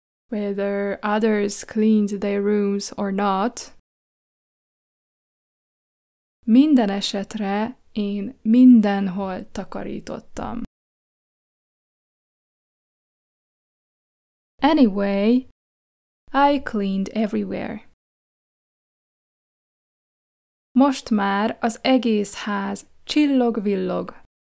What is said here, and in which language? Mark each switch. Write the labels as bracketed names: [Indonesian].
[English] Whether others cleaned their rooms or not. [Hungarian] Minden esetre én mindenhol takarítottam. [English] Anyway, I cleaned everywhere. [Hungarian] Most már az egész ház csillog-villog.